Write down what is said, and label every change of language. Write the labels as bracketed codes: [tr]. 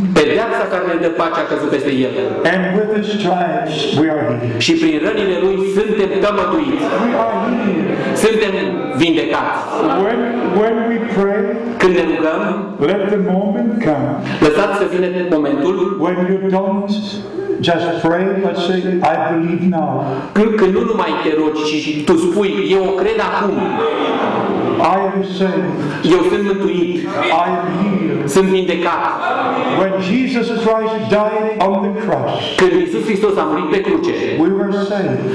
[ro] Pedeapsa care ne dă pace a căzut peste el. [en] And with his stripes we are healed. [ro] Și prin rănile lui suntem tămăduiți. [en] We are healed. [ro] Suntem vindecați. [en] When we pray, [ro] când ne rugăm, [en] let the moment come. [ro] Lăsați să vină momentul. [en] When you don't just pray, but say, I believe now. [ro] Când nu numai te rogi, ci tu spui, eu o cred acum. [en] I am saved. [ro] Eu sunt mântuit. [en] I am healed. [ro] Sunt vindecat. [en] When Jesus Christ died on the cross. [ro] Când Iisus Hristos a murit pe cruce. [en] We were saved.